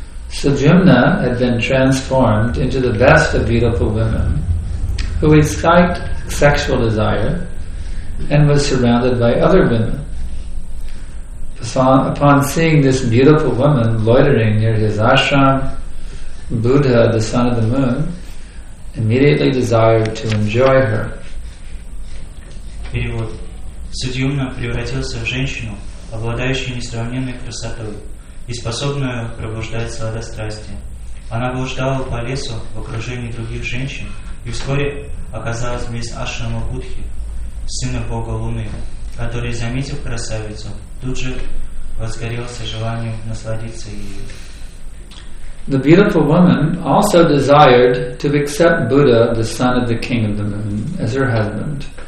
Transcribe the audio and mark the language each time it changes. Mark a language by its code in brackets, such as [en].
[en] Sujumna had been transformed into the best of beautiful women who excited sexual desire and was surrounded by other women. Upon seeing this beautiful woman loitering near his ashram, Buddha, the son of the moon, immediately desired to enjoy her. [ru] Судьюмна превратился в женщину, обладающую несравненной красотой и способную пробуждать сладострастие. Она блуждала по лесу в окружении других женщин и вскоре оказалась вместе Ашрама Будхи, сына бога Луны, который, заметив красавицу, тут же возгорелся желанием насладиться ею. [en] The beautiful woman also desired to accept Buddha, the son of the king of the moon, as her husband.